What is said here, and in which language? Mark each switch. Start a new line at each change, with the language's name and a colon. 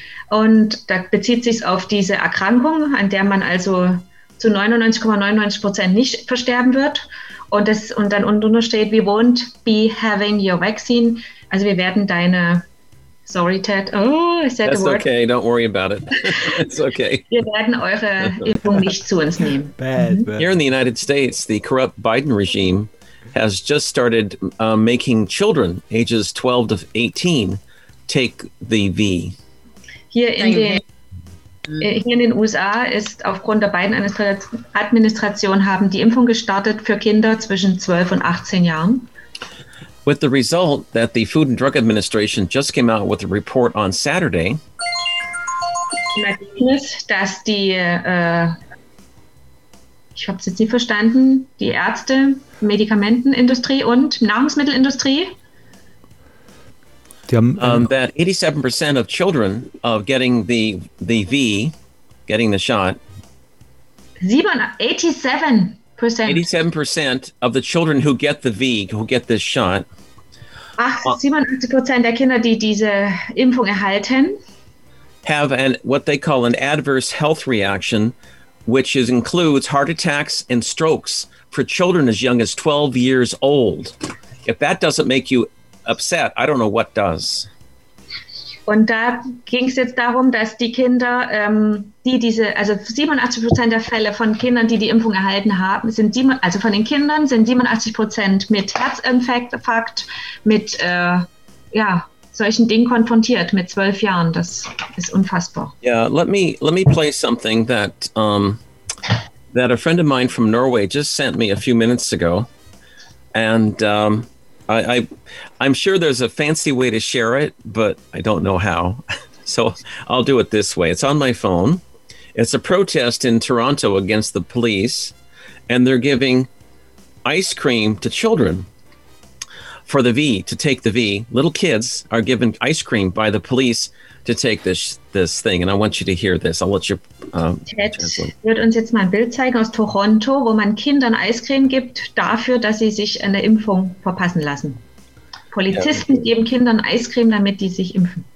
German: Und da bezieht sich auf diese Erkrankung, an der man also zu 99,99% nicht versterben wird. Und dann unten steht,
English: we won't be having your vaccine.
German: Also wir werden deine...
English: Sorry, Ted. Oh, I said that's the word. Okay, don't worry about it. It's okay.
German: Wir werden eure Impfung nicht zu uns nehmen.
English: Bad. Here in the United States, the corrupt Biden regime has just started making children ages 12 to 18 take the V.
German: Hier in den USA ist aufgrund der Biden-Administration haben die Impfung gestartet für Kinder zwischen 12 und 18 Jahren.
English: with the result that the Food and Drug Administration just came out with a report on Saturday.
German: Dass die, ich habe es jetzt nicht verstanden, die Ärzte, Medikamentenindustrie und Nahrungsmittelindustrie.
English: That 87% of children of getting the V, getting the shot. 87% of the children who get the V, who get this shot.
German: 87% der Kinder, die diese Impfung erhalten.
English: Have an what they call an adverse health reaction, which is includes heart attacks and strokes for children as young as 12 years old. If that doesn't make you upset, I don't know what does.
German: Und da ging es jetzt darum, dass die Kinder, die diese, also 87% der Fälle von Kindern, die die Impfung erhalten haben, sind sieben, also von den Kindern sind 87% mit Herzinfarkt, mit ja, solchen Dingen konfrontiert mit 12 Jahren. Das ist unfassbar.
English: Yeah, let me play something that that a friend of mine from Norway just sent me a few minutes ago, and I'm sure there's a fancy way to share it, but I don't know how. So I'll do it this way. It's on my phone. It's a protest in Toronto against the police, and they're giving ice cream to children for the V, to take the V. Little kids are given ice cream by the police to take this thing. And I want you to hear this. I'll let you
German: Ted wird uns jetzt mal ein Bild zeigen aus Toronto, wo man Kindern Eiscreme gibt dafür, dass sie sich eine Impfung verpassen lassen. Polizisten geben Kindern Eiscreme, damit die sich impfen.